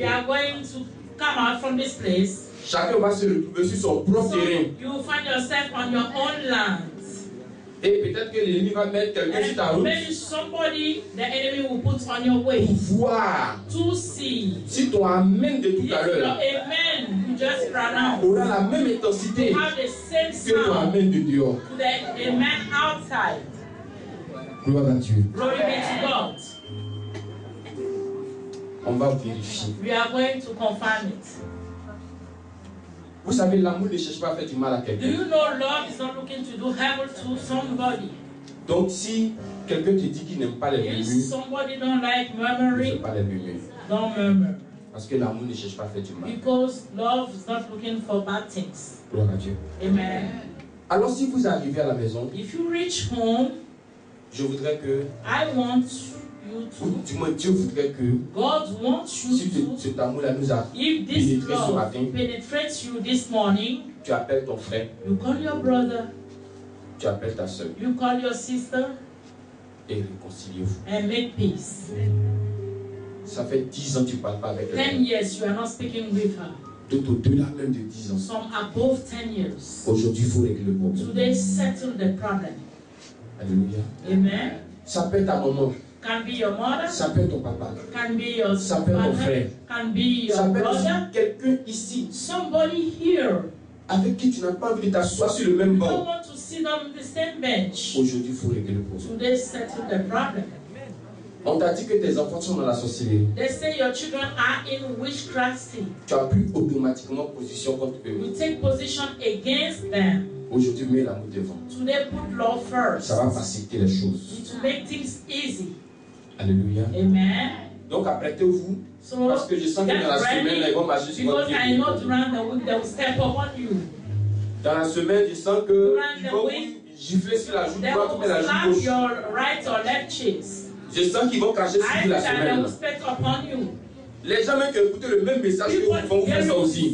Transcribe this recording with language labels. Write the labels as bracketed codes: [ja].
[en] We are going to come out from this place. [fr] Chacun va se retrouver sur son propre terrain. [en] You will find yourself on your own land. [fr] Et peut-être que l'ennemi va mettre quelqu'un sur ta route. [en] Maybe somebody the enemy will put on your way. [fr] Pour voir. [en] To see. [fr] Si ton amen de tout à l'heure. [en] Amen. Just ran out. [fr] Aura la même intensité. [en] To have the same sound. [fr] Que ton amen de dehors. [en] To the amen outside. [fr] Gloire à Dieu. [en] Glory be to God. [fr] On va vérifier. [en] We are going to confirm it. [fr] Vous savez, l'amour ne cherche pas à faire du mal à quelqu'un. [en] Do you know love is not looking to do harm to somebody? [fr] Donc si quelqu'un te dit qu'il n'aime pas les murmures, [en] if somebody don't like murmuring, [fr] ne pas les murmures, [en] don't murmur. [fr] Parce que l'amour ne cherche pas à faire du mal. [en] Because love is not looking for bad things. [fr] Gloire à Dieu. Amen. Alors si vous arrivez à la maison, [en] if you reach home, [fr] je voudrais que [en] I want you to. [fr] Du moins Dieu voudrait que [en] God wants you [fr] si [en] to. [fr] Si cet amour là nous a pénétré ce matin, [en] penetrates you this morning, [fr] tu appelles ton frère. [en] You call your brother. [fr] Tu appelles ta sœur. [en] You call your sister. [fr] Et réconciliez-vous. [en] And make peace. [fr] Ça fait 10 ans que tu ne parles pas avec elle. [en] 10 years you are not speaking with her. [fr] Tout au-delà même de 10 ans. [en] Some above 10 years. [fr] Aujourd'hui, il faut régler le problème. [en] Today settle the problem. [fr] Alléluia. Amen. Ça peut être ta maman. [en] Can be your mother. [fr] Ça peut être ton papa. [en] Can be your [fr] ça peut être ton frère. [en] Can be your [fr] ça peut [en] brother. [fr] Être quelqu'un ici. [en] Somebody here. [fr] Avec qui tu n'as pas envie de t'asseoir sur le même banc. [en] You don't want to sit on the same bench. [fr] Aujourd'hui, il faut régler le problème. [en] Today settle the problem. [fr] On t'a dit que tes enfants sont dans la sorcellerie. [en] They say your children are in witchcraft. [fr] Tu as pris automatiquement position contre eux. [en] You take position against them. [fr] Aujourd'hui, mets l'amour devant. [en] Today put love first. [fr] Ça va faciliter les choses. [en] It will make things easy. [fr] Alléluia. Amen. Donc apprêtez-vous, [en] so [fr] parce que je sens que dans la semaine, ils vont marcher sur votre pied. [en] Because I know during the week they will step upon you. [fr] Dans la semaine, je sens que ils vont gifler sur la joue droite ou la joue gauche. [en] They will slap your right or left cheeks. [fr] Je sens qu'ils vont cracher sur vous la semaine. [en] I think they will step upon you. [fr] Les gens même qui écoutent le même message que vous font faire ça aussi.